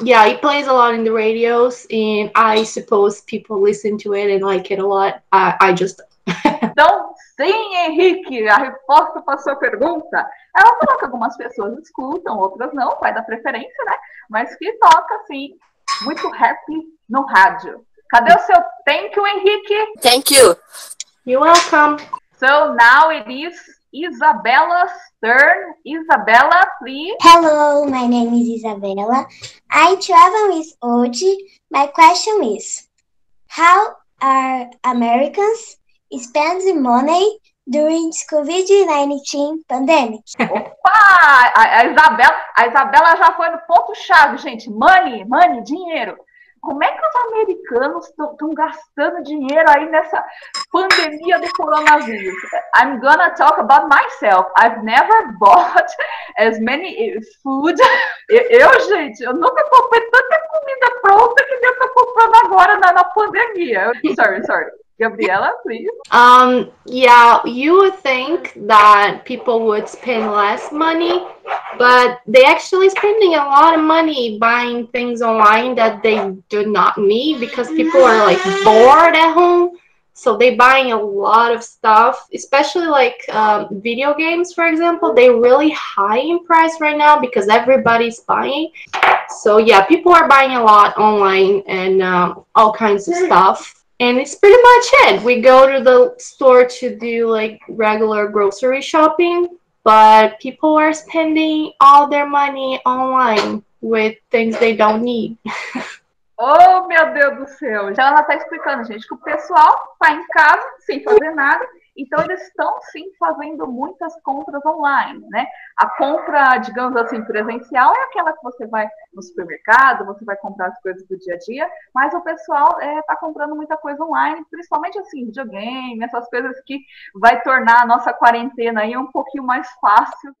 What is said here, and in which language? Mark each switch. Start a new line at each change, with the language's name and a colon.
English: Yeah, it plays a lot in the radios, and I suppose people listen to it and like it a lot. I just
Portuguese: Então, sim, Henrique, a resposta para a sua pergunta. Ela falou que algumas pessoas escutam, outras não, vai dar preferência, né? Mas que toca, sim, muito rap no rádio. Cadê o seu
English: thank you,
Portuguese: Henrique?
English: Thank you. You're welcome. So now it is Isabella Stern. Isabella, please. Hello, my name is Isabella. I'm 12 years old. My question is, how are Americans spends money during the COVID-19 pandemic?
Portuguese: Opa! A Isabela já foi no ponto-chave, gente. Money, dinheiro. Como é que os americanos estão gastando dinheiro aí nessa pandemia do coronavírus?
English: I'm gonna talk about myself. I've never bought as many food.
Portuguese: Eu nunca comprei tanta comida pronta que eu tô comprando agora na pandemia.
English: Sorry. Gabriela, please. Yeah, you would think that people would spend less money, but they actually spending a lot of money buying things online that they do not need because people are like bored at home. So they buying a lot of stuff, especially like video games, for example. They really high in price right now because everybody's buying. So yeah, people are buying a lot online and all kinds of stuff. And it's pretty much it. We go to the store to do like regular grocery shopping, but people are spending all their money online with things they don't need.
Portuguese: Oh, meu Deus do céu. Então ela tá explicando, gente, que o pessoal tá em casa sem fazer nada, então eles estão sim fazendo muitas compras online, né? A compra, digamos assim, presencial é aquela que você vai no supermercado, você vai comprar as coisas do dia a dia, mas o pessoal está comprando muita coisa online, principalmente assim, videogame, essas coisas que vai tornar a nossa quarentena aí um pouquinho mais fácil.